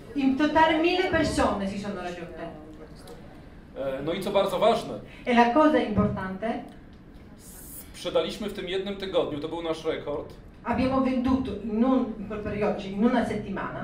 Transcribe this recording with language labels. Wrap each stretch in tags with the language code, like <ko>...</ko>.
<it>In totale 1000 persone si sono raggiunte.</it> <pl>No i co bardzo ważne.</pl> <it>E la cosa importante.</it> <pl>Sprzedaliśmy w tym jednym tygodniu, to był nasz rekord.</pl> <it>Abbiamo venduto in una settimana.</it>